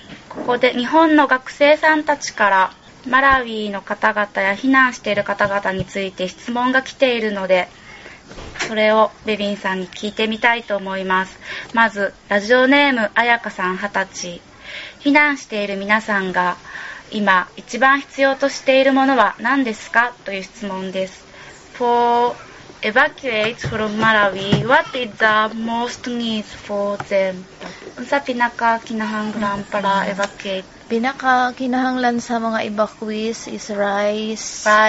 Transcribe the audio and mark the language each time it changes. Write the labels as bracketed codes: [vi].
[ja] ここで日本の学生さんたちからマラウィの方々や避難している方々について質問が来ているので、それをベビンさんに聞いてみたいと思います。まずラジオネームあやかさん20歳、避難している皆さんが今一番必要としているものは何ですかという質問です。 [en] For evacuate from Malawi, what is the most needs for them? [ceb] Sa pinakakinahanglan para evacuate, pinakakinahanglan sa mga evacuees is rice.